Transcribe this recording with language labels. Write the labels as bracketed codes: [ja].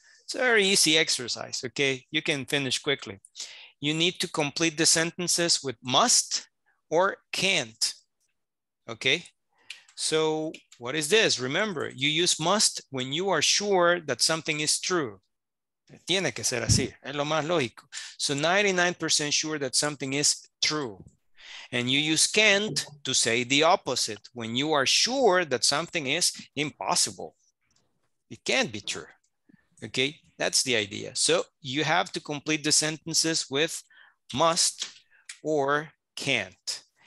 [en] It's a very easy exercise, okay? You can finish quickly. You need to complete the sentences with must or can't, okay? So what is this? Remember, you use must when you are sure that something is true. [es] Tiene que ser así, es lo más lógico. [en] So 99% sure that something is true. And you use can't to say the opposite, when you are sure that something is impossible. It can't be true, okay? That's the idea. So you have to complete the sentences with must or can't.